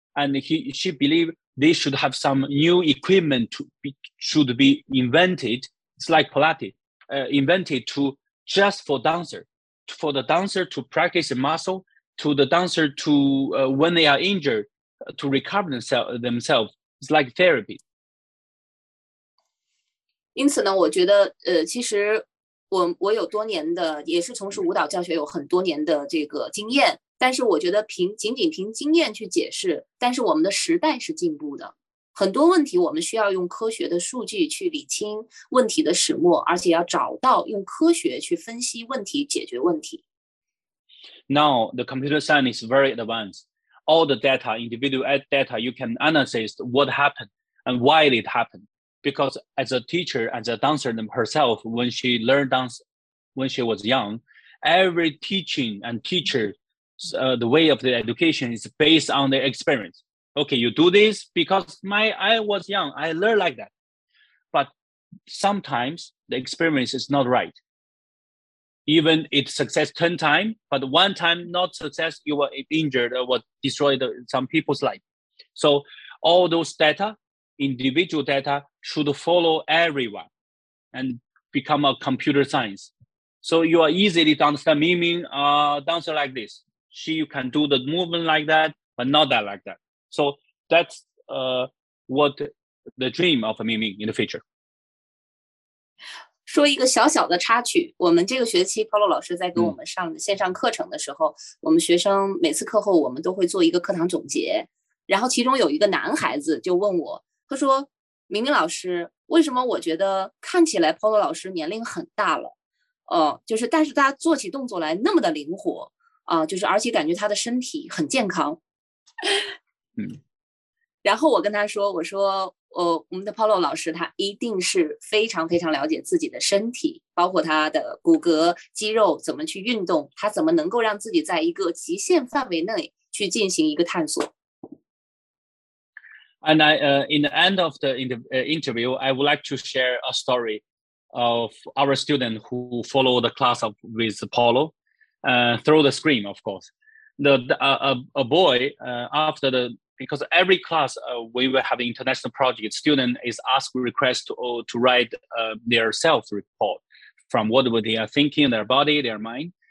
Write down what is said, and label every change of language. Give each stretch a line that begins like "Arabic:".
English: And she believed they should have some new equipment should be invented. It's like Pilates, invented to just for dancer, for the dancer to practice the muscle, to the dancer to, when they are injured, to recover themselves. It's like therapy.
Chinese: 因此呢，我觉得，其实我有多年的，也是从事舞蹈教学，有很多年的这个经验。但是我觉得仅仅凭经验去解释，但是我们的时代是进步的，很多问题我们需要用科学的数据去理清问题的始末，而且要找到用科学去分析问题，解决问题。
English: Now the computer science is very advanced. All the data, individual data, you can analyze what happened and why it happened. Because as a teacher, as a dancer herself, when she learned dance when she was young, every teaching and teacher, the way of the education is based on the experience. Okay, you do this because I was young, I learned like that. But sometimes the experience is not right. Even it success 10 times, but one time not success, you were injured or what destroyed some people's life. So all those data, individual data,should follow everyone and become a computer science. So you are easily to understand meaning, dancer like this. She can do the movement like that, but not that like that. So that's, what the dream of meaning in the future.
Chinese: 说一个小小的插曲，我们这个学期 Paulo 老师在给我们上线上课程的时候，我们学生每次课后我们都会做一个课堂总结，然后其中有一个男孩子就问我，他说明明老师，为什么我觉得看起来 Polo 老师年龄很大了，就是但是他做起动作来那么的灵活，就是而且感觉他的身体很健康。嗯，然后我跟他说，我说，我们的 Polo 老师他一定是非常非常了解自己的身体，包括他的骨骼肌肉怎么去运动，他怎么能够让自己在一个极限范围内去进行一个探索。
English: And I, in the end of the interview, I would like to share a story of our student who followed the class of with Paulo, through the screen, of course. A boy, after the, because every class, we were having international project, student is asked request to write, their self report from what they are thinking, their body, their mind.